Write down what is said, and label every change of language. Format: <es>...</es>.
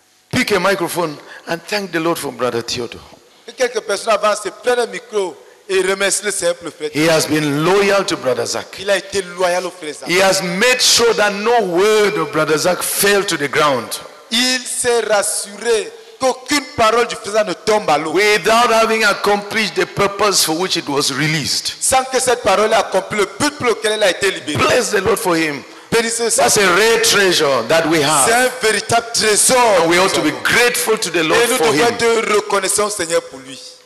<en>Pick a microphone and thank the Lord for Brother Theodore.</en> <fr>Quelques personnes avant se prennent un micro.</fr> <en>He has been loyal to Brother Zach.</en> <fr>Il a été loyal au frère Zach.</fr> <en>He has made sure that no word of Brother Zach fell to the ground.</en> <fr>Il s'est rassuré qu'aucune parole du frère Zach ne tombe à l'eau.</fr> <en>Without having accomplished the purpose for which it was released.</en> <fr>Sans que cette parole ait accompli le but pour lequel elle a été libérée.</fr> <en>Bless the Lord for him. That's a rare treasure that we have.</en> <fr>C'est un véritable trésor.</fr> <en>And we ought to be grateful to the Lord for him.</en> <fr>Et nous devons être reconnaissants au Seigneur pour lui.</fr>